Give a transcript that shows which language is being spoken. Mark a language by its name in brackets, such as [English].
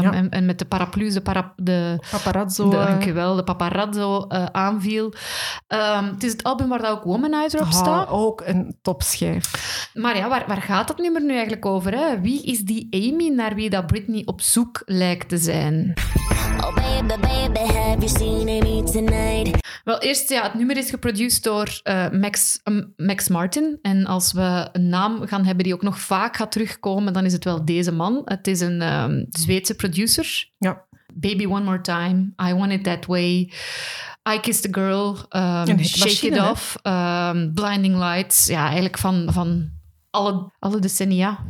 [Dutch] En met de paraplu's, de paparazzo aanviel. Het is het album waar dat ook Womanizer op staat. Ook een topschijf. Maar ja, waar gaat dat nummer nu eigenlijk over? Hè? Wie is die Amy naar wie dat Britney op zoek lijkt te zijn? [English] Oh baby, baby, have you seen Amy tonight? [Dutch] Wel, eerst, het nummer is geproduced door Max Martin. En als we een naam gaan hebben die ook nog vaak gaat terugkomen, dan is het wel deze man. Het is een Zweedse producer. Ja. Baby One More Time, I Want It That Way, I Kissed a Girl, Shake It Off, Blinding Lights. Ja, eigenlijk van alle decennia.